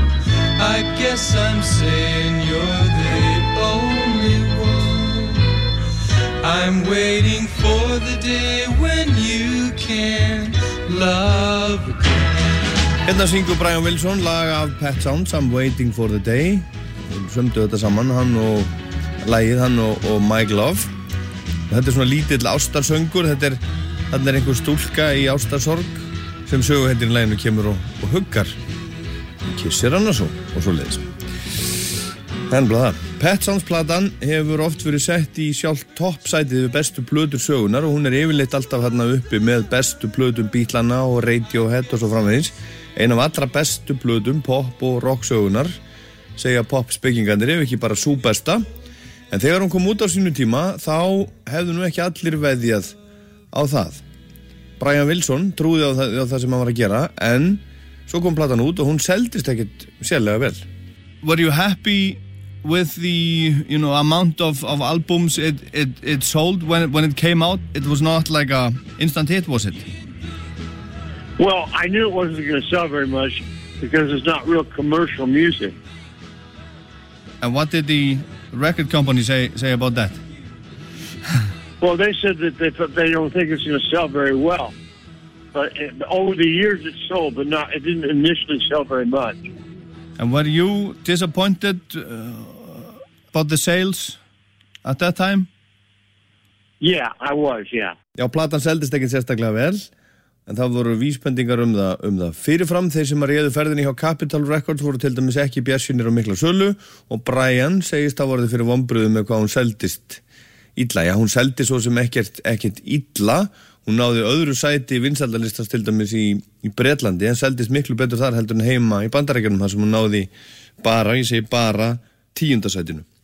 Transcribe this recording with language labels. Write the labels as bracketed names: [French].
[English] I'm saying you're the only one. I'm waiting for the day when you can love again. [Icelandic] Hérna syngur Brian Wilson lag af Pet Sounds, I'm waiting for the day. Sömdu þetta saman, hann og lagið, hann og Mike Love. Þetta er svona lítill ástarsöngur, þetta er einhver stúlka í ástarsorg sem söguhetjan í laginu kemur og huggar. Kyssir hann og svo leiðis. En blaða, Pet Sounds platan hefur oft verið sett í sjálf toppsætið við bestu plötur sögunar og hún er yfirleitt alltaf hérna uppi með bestu plötum bítlana og Radiohead og svo framvegis. Ein af allra bestu plötum pop og rock sögunar, segja pop spekingarnir, ef ekki bara sú besta. En þegar hún kom út á sínu tíma þá hefðu nú ekki allir veðjað á það. Brian Wilson trúði á það sem hann var að gera, en svo kom platan út og hún seldist ekkit sérlega vel. [English] Were you happy with the, you know, amount of albums it sold when it came out? It was not like a instant hit, was it? Well, I knew it wasn't going to sell very much because it's not real commercial music. And what did the record company say about that? Well, they said that they don't think it's going to sell very well. But over the years it sold, but not, it didn't initially sell very much. And were you disappointed about the sales at that time? Yeah, I was, yeah. [Icelandic] Já, platan seldist ekki sérstaklega vel, en það voru vísbendingar um það. Fyrirfram, þeir sem að réðu ferðinni hjá Capitol Records voru til dæmis ekki bjarsinir og mikla sölu, og Brian segist að voru þið fyrir vonbrugðum með hvað hún seldist illa. Já, hún seldist svo sem ekkert illa. Hún náði öðru sæti vinsældalistast til dæmis í Bretlandi, en seldist miklu betur þar heldur en heima í Bandaríkjunum, þar sem hún náði bara 10. sætinu.